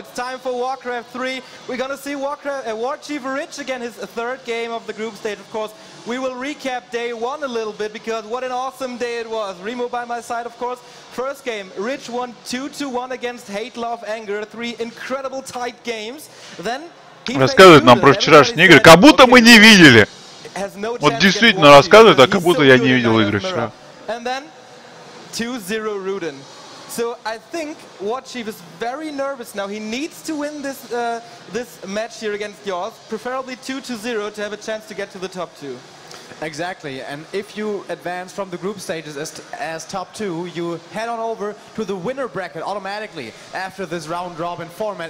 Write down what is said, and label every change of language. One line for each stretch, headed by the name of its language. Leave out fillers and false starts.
English: It's time for Warcraft 3. We're gonna see Warchief Rich again, his third game of the group stage. Of course, we will recap day one a little bit because what an awesome day it was. Remo by my side, of course. First game, Rich won 2-1 against Hate, Love, Anger. Three incredible tight games. Then he
Russian: рассказывает нам про вчерашние игры, как будто мы не видели. Вот действительно рассказывает, а как будто я не видел игры вчера.
English: 2-0 Rudin. So I think Warchief is very nervous now. He needs to win this this match here against yours, preferably 2-0 to have a chance to get to the top two. Exactly. And if you advance from the group stages as top two, you head on over to the winner bracket automatically after this round robin format.